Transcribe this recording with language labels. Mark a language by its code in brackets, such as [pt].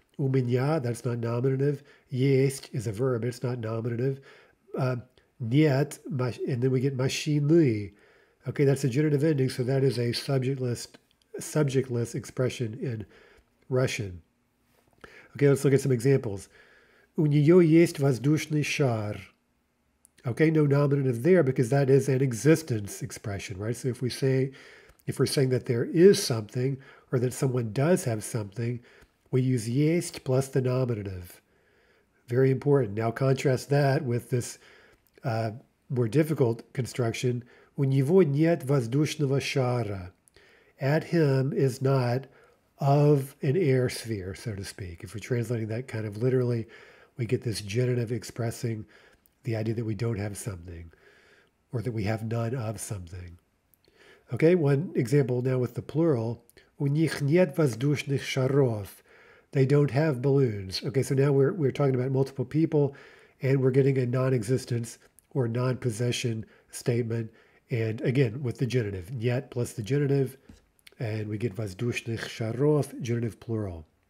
[ru] У меня, [en] that's not nominative. Есть is a verb, it's not nominative. Нет, and then we get машины. Okay, that's a genitive ending, so that is a subjectless expression in Russian. Okay, let's look at some examples. [ru] У нее есть воздушный шар. [en] Okay, no nominative there because that is an existence expression, right? So if we're saying that there is something or that someone does have something, we use есть plus the nominative. Very important. Now contrast that with this more difficult construction. [ru] У него нет воздушного шара. [en] At him is not of an air sphere, so to speak. If we're translating that kind of literally, we get this genitive expressing the idea that we don't have something or that we have none of something. Okay, one example now with the plural. [ru] У них нет воздушных шаров. [en] They don't have balloons. Okay, so now we're talking about multiple people and we're getting a non-existence or non-possession statement. And again, with the genitive, нет plus the genitive, and we get воздушных шаров, genitive plural.